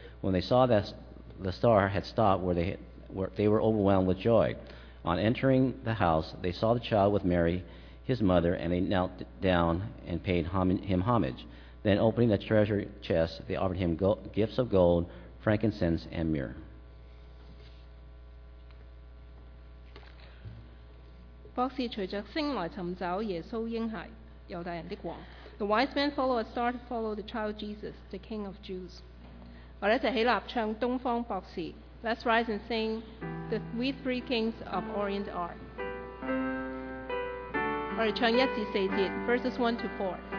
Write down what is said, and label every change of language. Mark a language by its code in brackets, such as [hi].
[en] When they saw that the star had stopped, they were overwhelmed with joy. On entering the house, they saw the child with Mary, his mother, and they knelt down and paid him homage. Then, opening the treasure chest, they offered him gifts of gold, frankincense, and myrrh. [zh] 博士隨著星來尋找耶穌嬰孩，猶大人的王。 [en] The wise men follow a star to follow the child Jesus, the King of Jews. [zh] 我們一起起立唱《東方博士》。 [en] Let's rise and sing the We Three Kings of Orient Are. [zh] 我們唱一至四節， [en] verses 1-4。